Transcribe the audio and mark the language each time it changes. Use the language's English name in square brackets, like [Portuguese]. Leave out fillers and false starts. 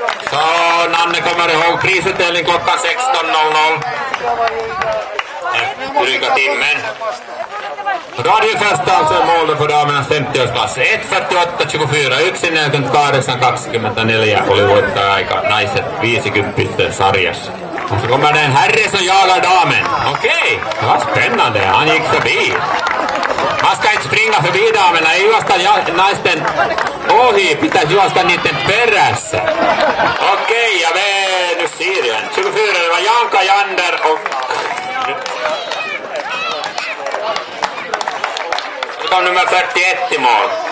[Swedish] Så Nanne kommer ihåg prisutdelning klockan 16.00. Dryga timmen. Radiofest alltså målet för damernas 50-årsklass. [Finnish] 1.48.24, 1.48.24 oli voittaja-aika naiset 50 sarjassa. [Swedish] Och så kommer den herre som jagar damen. Okej, okay. Vad spännande, han gick förbi. Man ska inte springa förbi damerna, [Finnish] ei juosta naisten ohi, pitäis juosta niiden perässä. [Swedish] Okei, ja nu ser jag. 24, det var Janka Jander och... Nu kom nummer 41 i mål.